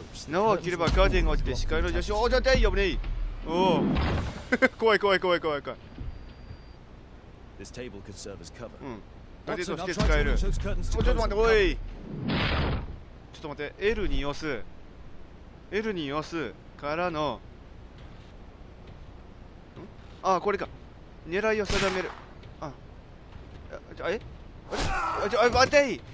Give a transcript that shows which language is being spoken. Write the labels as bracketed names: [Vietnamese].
[Japanese] 縄を切ればカーテンが落ちて視界の助手、おお、ちょっと危ない、おお。怖い。 [English] This table could serve as cover. [Japanese] うん、カーテンとして使える。ちょっと待って、おい、ちょっと待って、 L に押すからの、あ、これか、狙いを定める。あ、え、あ、ちょ、待てい。